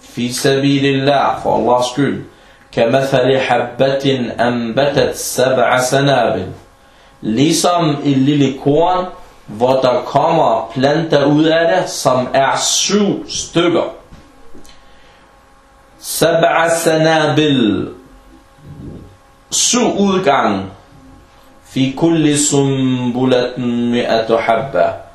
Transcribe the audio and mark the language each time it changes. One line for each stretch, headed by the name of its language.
Arabic: في سبيل الله,
Danish: for Allahs skyld.
Arabic: كمثل حبة أنبتت سبع سنابل.
Danish: Ligesom et lille korn, hvor der kommer planter ud af det, som er syv stykker.
Arabic: سبع سنابل.
Danish: Syv udgang.
Arabic: في كل سنبلة مئة حبة.